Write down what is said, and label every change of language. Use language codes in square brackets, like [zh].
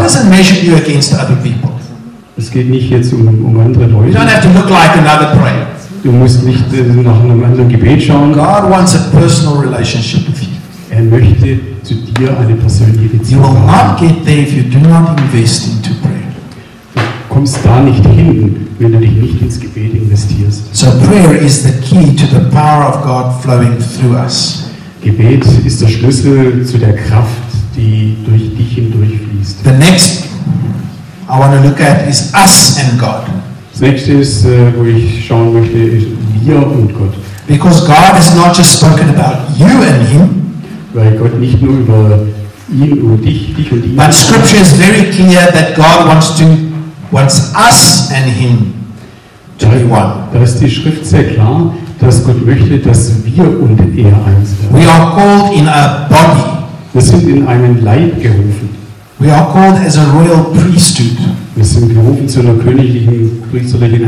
[en] God doesn't measure you against other people. [de] Es geht nicht jetzt um andere Leute. [en] You don't have to look like another prayer. [de] Du musst nicht nach einem anderen Gebet schauen. [en] God wants a personal relationship with you. [de] Er möchte zu dir eine persönliche Beziehung. [en] You will not get there if you do not invest into prayer. [de] Du kommst da nicht hin, wenn du dich nicht ins Gebet investierst. [en] So prayer is the key to the power of God flowing through us. [de] Gebet ist der Schlüssel zu der Kraft, die durch dich hindurchfließt. [en] The next I want to look at is us and God. [de] Das nächste ist, wo ich schauen möchte, ist wir und Gott. [en] Because God has not just spoken about you and him. [de] Weil Gott nicht nur über ihn und dich und ihn. [en] But Scripture is very clear that God wants us and him to be one. [de] Da ist die Schrift sehr klar, dass Gott möchte, dass wir und er eins werden. [en] We are called in a body. [de] Wir sind in einen Leib gerufen. [en] We are called as a royal priesthood. [de] Wir sind gerufen zu einer königlichen Priesterlichen.